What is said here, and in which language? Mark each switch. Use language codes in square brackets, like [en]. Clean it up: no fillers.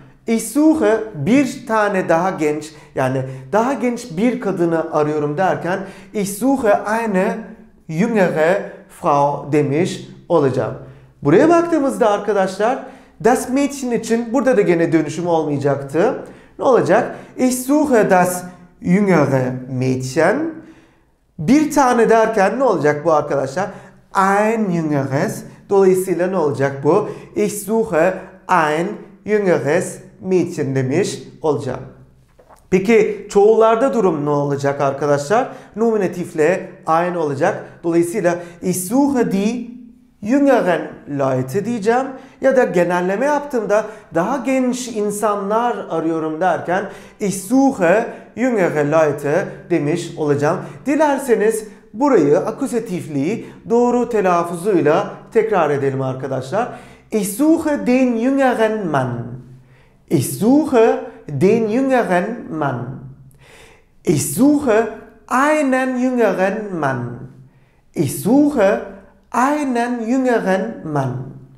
[de] Ich suche [tr] bir tane daha genç, yani daha genç bir kadını arıyorum derken [de] ich suche eine jüngere Frau [tr] demiş olacağım. Buraya baktığımızda arkadaşlar das Mädchen için burada da gene dönüşüm olmayacaktı. Ne olacak? [de] Ich suche das jüngere Mädchen. [tr] Bir tane derken ne olacak bu arkadaşlar? [de] Ein jüngeres. [tr] Dolayısıyla ne olacak bu? [de] Ich suche ein jüngeres Mädchen [tr] demiş olacağım. Peki çoğullarda durum ne olacak arkadaşlar? Nominatifle ein olacak. Dolayısıyla [de] ich suche die jüngeren Leute [tr] diyeceğim. Ya da genelleme yaptığımda daha genç insanlar arıyorum derken [de] ich suche jüngere Leute [tr] demiş olacağım. Dilerseniz burayı akusatifliği doğru telaffuzuyla tekrar edelim arkadaşlar. [de] Ich suche den jüngeren Mann. Ich suche den jüngeren Mann. Ich suche einen jüngeren Mann. Ich suche einen jüngeren Mann.